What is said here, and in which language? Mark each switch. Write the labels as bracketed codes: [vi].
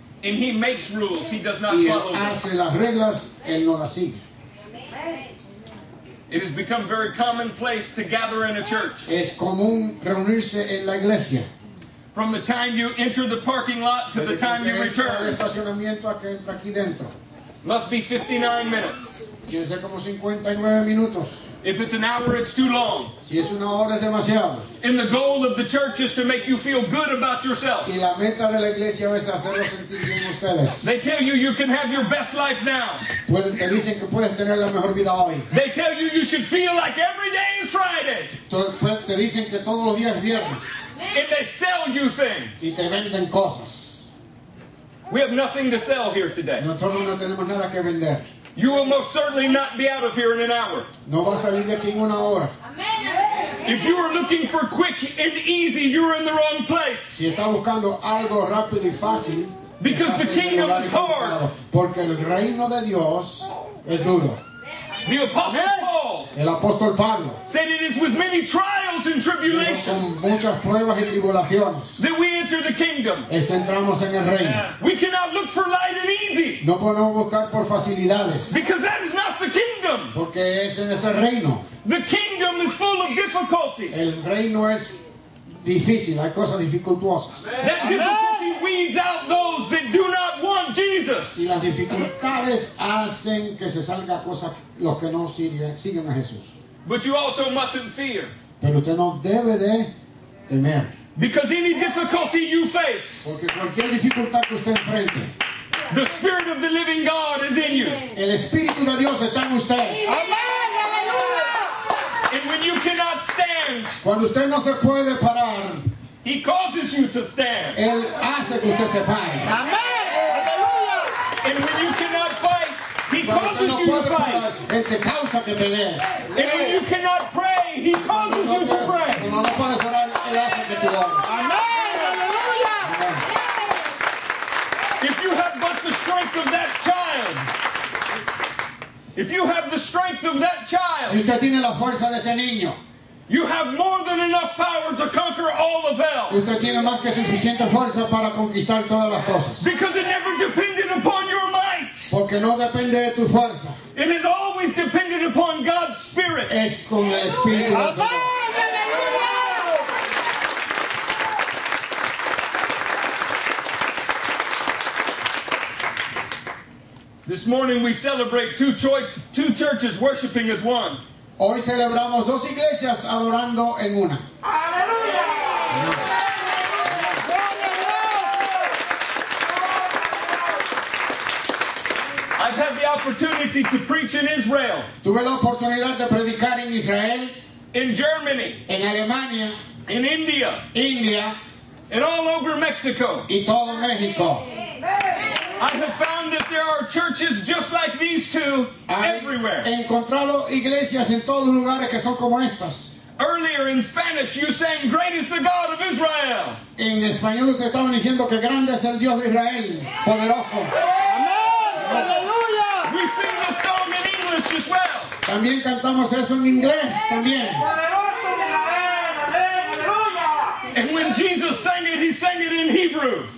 [en] And He makes rules, He does not [es] y [en] follow them. [es] Hace las reglas, Él no las sigue. [en] It has become very commonplace to gather in a church. [es] Es común reunirse en la iglesia. [en] From the time you enter the parking lot to the time you return. [es] Desde el estacionamiento a que entra aquí dentro. [en] Must be 59 minutes. [es] Tiene que ser como 59 minutos. [en] If it's an hour, it's too long. [es] Si es una hora, es demasiado. [en] And the goal of the church is to make you feel good about yourself. [es] Y la meta de la iglesia es hacerlo sentir bien ustedes. [en] They tell you you can have your best life now. [es] Pueden, te dicen que puedes tener la mejor vida hoy. [en] They tell you you should feel like every day is Friday. [es] Te dicen que todos los días es viernes. [en] And they sell you things. [es] Y te venden cosas. [en] We have nothing to sell here today. [es] Nosotros no tenemos nada que vender. [en] You will most certainly not be out of here in an hour. [es] No va a salir de aquí en una hora. [en] If you are looking for quick and easy, you're in the wrong place. [es] Si está buscando algo rápido y fácil, [en] because the kingdom is hard. [es] Porque el reino de Dios es duro. [en] The apostle Paul. [es] El apóstol Pablo. [en] Said it is with many trials and tribulations. [es] Con muchas pruebas y tribulaciones. [en] That we enter the kingdom. [es] Este entramos en el reino. [en] We cannot look for light and easy. [es] No podemos buscar por facilidades. [en] Because that is not the kingdom. [es] Porque es en ese reino. [en] The kingdom is full of difficulty. [es] El reino es difícil. Hay cosas dificultosas. [en] That difficulty weeds out those that do not want Jesus. [es] Y las dificultades hacen que se salga cosas los que no siguen a Jesús. [en] But you also mustn't fear. [es] Pero usted no debe de temer. [en] Because any difficulty you face. [es] Porque cualquier dificultad que usted enfrente. [en] The Spirit of the Living God is in you. [es] El Espíritu de Dios está en usted. Amén. Aleluya. [en] And when you cannot stand. [es] Cuando usted no se puede parar. [en] He causes you to stand. [es] Él hace que usted se pare. Amén. Aleluya. [en] And when you cannot fight. He [es] cuando [en] causes [es] no [en] you to fight. [es] Parar, él te causa que pelees. [en] And when you cannot pray. He causes [es] cuando [en] you to pray. [es] Cuando no puedes orar. Él hace que tú ores. Amén. Aleluya. Amén. [en] If you have but the strength of that child. If you have the strength of that child, [es] si usted tiene la fuerza de ese niño, [en] you have more than enough power to conquer all of hell. [es] Usted tiene más que suficiente fuerza para conquistar todas las cosas. [en] Because it never depended upon your might. [es] Porque no depende de tu fuerza. [en] It is always dependent upon God's Spirit. [es] Es con el Espíritu de Dios. [en] This morning we celebrate two churches worshiping as one. [es] Hoy celebramos dos iglesias adorando en una. Aleluya. [en] I've had the opportunity to preach in Israel. [es] Tuve la oportunidad de predicar en Israel. [en] In Germany. [es] En Alemania. [en] In India. [es] India. [en] And all over Mexico. [es] Y todo México. [en] I have found that there are churches just like these two everywhere. [es] He encontrado iglesias en todos los lugares que son como estas. [en] Earlier in Spanish, you sang, "Great is the God of Israel." [es] En español ustedes estaban diciendo que grande es el Dios de Israel, poderoso. Amen. Aleluya. [en] We sing the song in English as well. [es] También cantamos eso en inglés también. Poderoso de Israel. Amen. Aleluya. [en] And when Jesus sang it, He sang it in Hebrew.